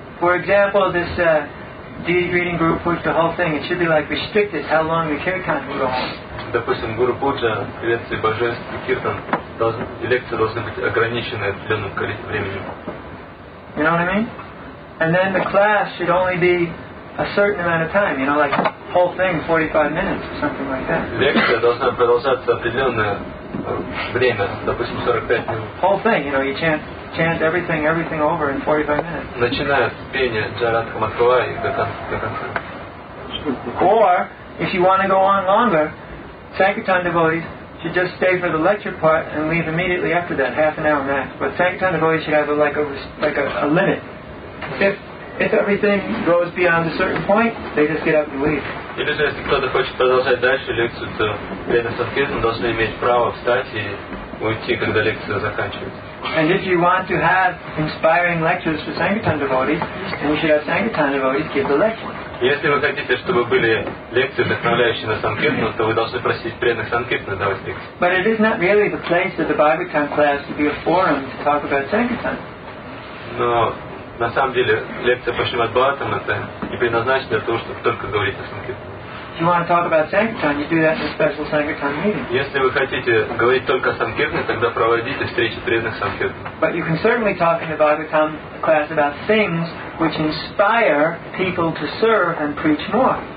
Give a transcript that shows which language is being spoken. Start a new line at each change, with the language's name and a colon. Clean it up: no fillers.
English: For example, this deity reading group puts the whole thing. It should be like restricted how long the kirtan will go on.
Russian: Допустим, Гуру Пуджа, лекции божеств, киртан, лекции должны быть ограничены определенным количеством времени.
English: You know what I mean? And then the class should only be a certain amount of time, you know, like the whole thing, 45 minutes or something like that.
Russian: Лекция должна продолжаться определенное время, допустим, 45 минут.
English: Whole thing, you know, you chant everything over in 45 minutes.
Russian: Начиная с пения Джарадха Матхава и до конца.
English: Or, if you want to go on longer, Sankirtan devotees should just stay for the lecture part and leave immediately after that, half an hour max. But Sankirtan devotees should have a limit. If everything goes beyond a certain point, they just get up and leave.
Russian: Или же, если кто-то хочет продолжать дальше лекцию, то преданный санкиртан должен иметь право встать и уйти, когда лекция заканчивается.
English: And if you want to have inspiring lectures for Sankirtan devotees, then you should have Sankirtan devotees give the lecture.
Russian: Если вы хотите, чтобы были лекции, вдохновляющие на санкиртан, то вы должны просить преданных санкиртан давать лекции.
English: But it is not really the place of the Bhagavatam class to be a forum to talk about Sankirtan.
Russian: Но на самом деле лекция по Шримад Бхагаватам это не предназначена для того, чтобы только говорить о санкиртане.
English: You want to talk about Sankirtan, you do that in a special Sankirtan meeting.
Russian: Если вы хотите говорить только о санкиртане, тогда проводите встречи преданных санкиртан.
English: But you can certainly talk in the Bhagavatam class about things which inspire people to serve and preach more.